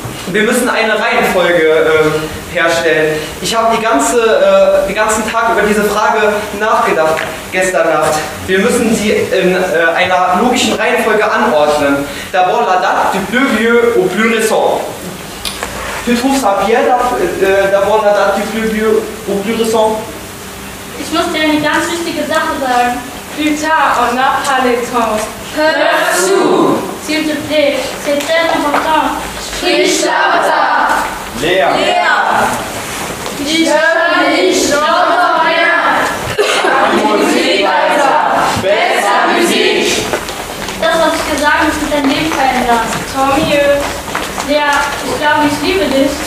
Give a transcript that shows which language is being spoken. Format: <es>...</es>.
<de>Wir müssen eine Reihenfolge herstellen. Ich habe den ganzen Tag über diese Frage nachgedacht, gestern Nacht. Wir müssen sie in einer logischen Reihenfolge anordnen.</de> <fr>D'abord la date du plus vieux au plus récent. Tu trouves ça bien, d'abord la date du plus vieux au plus récent?</fr> <de>Ich muss dir eine ganz wichtige Sache sagen.</de> <fr>Plus tard, on a parlé de temps.</fr> <de>Hörst du?</de> <fr>S'il te plaît, c'est très important.</fr> <de>Sprich lauter! Leer! Leer! Ich höre dich, lauter mehr! Musik weiter! Besser Musik! Das, was ich gesagt habe, ist mit deinem Leben verändert. Tommy, Leer, ich glaube, ich liebe dich.</de>